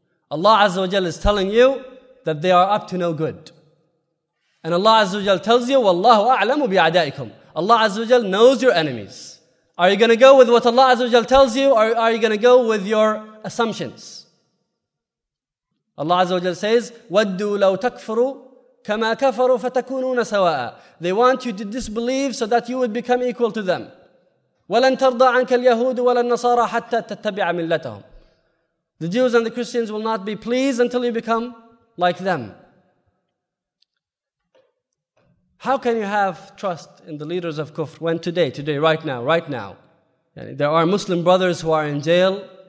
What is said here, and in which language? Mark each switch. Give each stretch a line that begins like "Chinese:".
English: Allah Azza wa Jal is telling you that they are up to no good. And Allah Azza wa Jal tells you,
Arabic: وَاللَّهُ أَعْلَمُ بِعَدَائِكُمْ.
English: Allah Azza wa Jal knows your enemies. Are you going to go with what Allah Azza wa Jal tells you, or are you going to go with your assumptions? Allah Azza wa Jal says,
Arabic: وَدُّوا لَوْ تَكْفُرُوا كَمَا كَفَرُوا فَتَكُونُونَ سَوَاءً.
English: They want you to disbelieve so that you would become equal to them.
Arabic: وَلَنْ تَرْضَى عَنْكَ الْيَهُودُ وَلَا النَّصَارَى حَتَّى تَتَّبِعَ مِلَّتَهُمْ.
English: The Jews and the Christians will not be pleased until you become like them. How can you have trust in the leaders of Kufr when today, right now, there are Muslim brothers who are in jail?